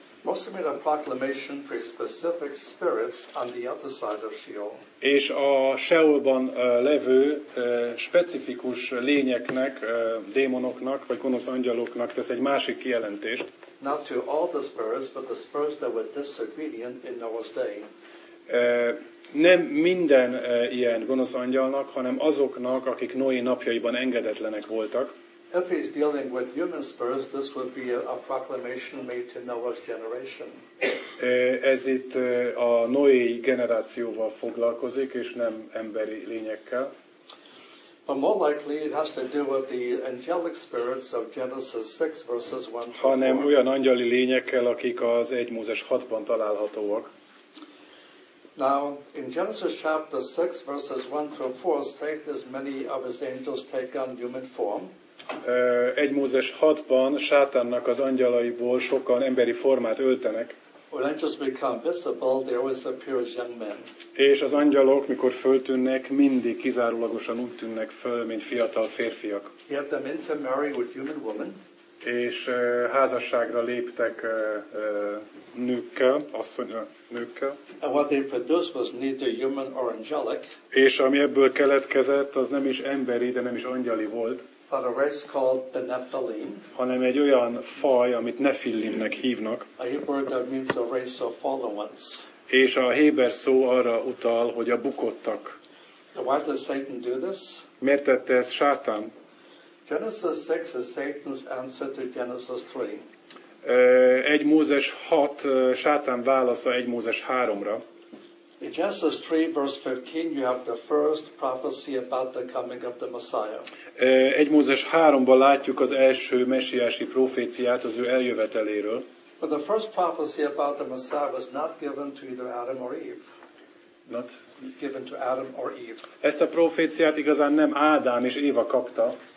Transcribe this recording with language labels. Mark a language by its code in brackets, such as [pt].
[en] Mostly made a proclamation for specific spirits on the other side of Sheol. [hu] És a Sheolban levő specifikus lényeknek, démonoknak vagy gonosz angyaloknak tesz egy másik kijelentést. [en] Not to all the spirits, but the spirits that were disobedient in Noah's day. [hu] Nem minden ilyen gonosz angyalnak, hanem azoknak, akik Noé napjaiban engedetlenek voltak. [en] If he's dealing with human spirits, this would be a proclamation made to Noah's generation. [hu] Ez itt a Noé generációval foglalkozik, és nem emberi lényekkel. [en] But more likely it has to do with the angelic spirits of Genesis 6 verses 1 to 4. [hu] Hanem olyan angyali lényekkel, akik az 1 Mózes 6-ban találhatóak. [en] Now, in Genesis chapter 6 verses 1 to 4, Satan as many of his angels take on human form. [hu] 1 Mózes 6-ban Sátánnak az angyalaiból sokan emberi formát öltenek. [en] When angels become visible, they always appear as young men. [hu] És az angyalok, mikor föltűnnek, mindig kizárólagosan úgy tűnnek föl, mint fiatal férfiak. [en] Yet they intermarry with human women. [hu] és házasságra léptek nőkkel, asszony nőkkel. [en] And what they produced was neither human or angelic. [hu] És ami ebből keletkezett, az nem is emberi, de nem is angyali volt. [en] But a race called the Nephilim. [hu] Hanem egy olyan faj, amit Nephilimnek hívnak. [en] A Hebrew that means a race of fallen ones. [hu] És a héber szó arra utal, hogy a bukottak. [en] So why does Satan do this? [hu] Miért tette ezt Sátán? [en] Genesis 6 is Satan's answer to Genesis 3. [hu] Egy Mózes 6, Sátán válasza egy Mózes 3-ra. [en] In Genesis 3 verse 15 you have the first prophecy about the coming of the Messiah. [hu] Egy Mózes 3-ban látjuk az első mesiási proféciát az ő eljöveteléről. [en] But the first prophecy about the Messiah was not given to either Adam or Eve. Not given to Adam or Eve. [hu] Ezt a proféciát igazán nem Ádám és Éva kapta.